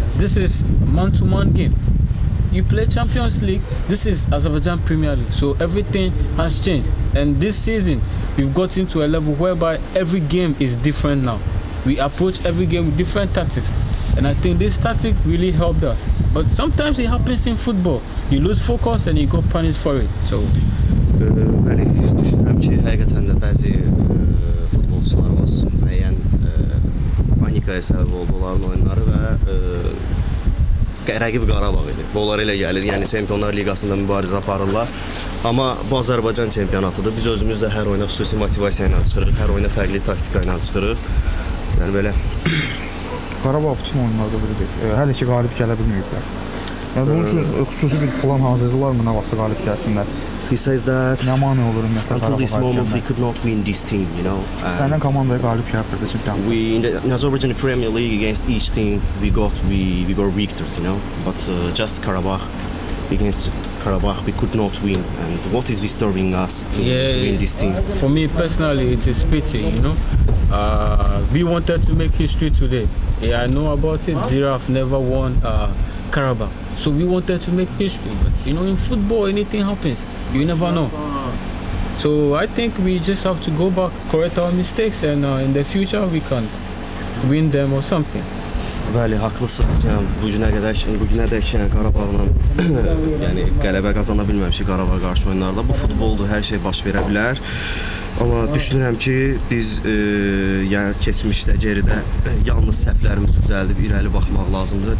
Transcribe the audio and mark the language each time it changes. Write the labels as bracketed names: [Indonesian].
[English] This is man-to-man game. You play Champions League, this is Azerbaijan Premier League, so everything has changed. And this season, we've gotten to a level whereby every game is different now. We approach every game with different tactics. And I think this tactic really helped us. But sometimes it happens in football. You lose focus and you got punished for it. So [Azerbaijani] Məni düşünürəm ki, həqiqətən də bəzi futbolçularımız müəyyən panikaya səbəb oldu onların oyunları və Rəqib Qarabağ idi. Onlar elə gəlir, yəni Çempionlar Liqasında mübarizə aparırlar. Amma bu Azərbaycan çempionatıdır. Biz özümüz də hər oyuna xüsusi motivasiya ilə çıxırıq, hər oyuna fərqli taktika ilə çıxırıq. Yəni belə. Qarabağ bütün oyunlarda biri deyil. Hələ ki qalib gələ bilməyiblər. Yəni bunun üçün xüsusi bir plan hazırlar mı, nə vaxtsa qalib gəlsinlər? [English] He says that [Azerbaijani] nə mane olur ümumiyyətlə Qarabağ. [English] Until this moment we could not win this team, you know. [Azerbaijani] Sənin komandaya qalib gəlirdi çempionat. [English] We in Azerbaijan Premier League against each team we were victors, you know. But just Qarabağ against Qarabağ we could not win, and what is disturbing us to win this team? For me personally it is pity, you know. We wanted to make history today. Yeah, I know about it. Giraffe never won Qarabağ. So we wanted to make history, but you know, in football, anything happens. You never know. So I think we just have to go back, correct our mistakes, and in the future we can win them or something. [Azerbaijani] Bəli, haqlısınız. Yəni bu günə qədər yəni Qarabağla yəni qələbə qazana bilməmişik Qarabağa qarşı oyunlarda. Bu futboldur, hər şey baş verə bilər. Amma düşünürəm ki, biz yəni keçmişdə geridə yalnız səhvlərimizi düzəldib irəli baxmaq lazımdır.